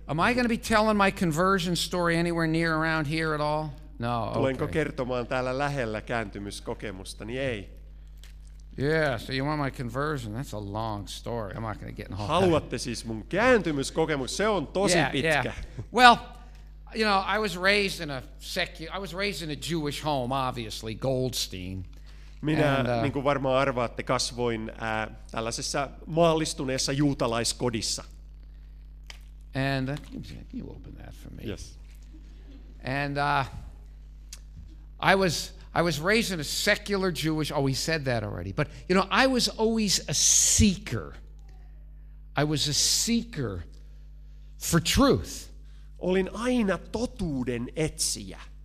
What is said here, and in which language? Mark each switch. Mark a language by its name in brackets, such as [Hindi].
[English] Am I going to be telling my conversion story anywhere near around here at all? [Finnish] No, tulenko kertomaan täällä lähellä kääntymyskokemusta, niin ei. [English] Yeah, so you want my conversion? That's a long story. I'm not going to get in. [Finnish] Haluatte siis mun kääntymyskokemus? Se on tosi pitkä. [English] Yeah. Well, you know, I was raised in a Jewish home, obviously Goldstein. [Finnish] Minä, niin kuin varmaan arvaatte, kasvoin tällaisessa maallistuneessa juutalaiskodissa. [English] And you open that for me. Yes. And I was raised in a secular Jewish. Oh, we said that already. But you know, I was always a seeker. I was a seeker for truth. [Finnish] Olin aina totuuden etsijä.